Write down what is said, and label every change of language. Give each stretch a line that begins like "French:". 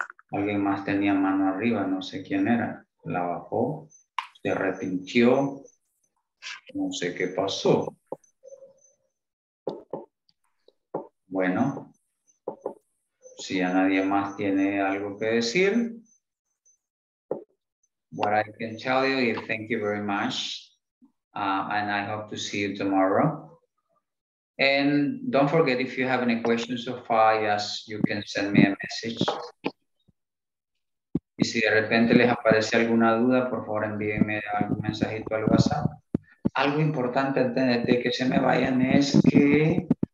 Spanish: Alguien más tenía mano arriba, no sé quién era. La bajó, se arrepintió, no sé qué pasó. Bueno, si ya nadie más tiene algo que decir.
English: What I can tell you is thank you very much. And I hope to see you tomorrow. And don't forget, if you have any questions so far, yes, you can send me a message.
Spanish: Y si de repente les aparece alguna duda, por favor envíenme algún mensajito al WhatsApp. Algo importante antes de que se me vayan es que...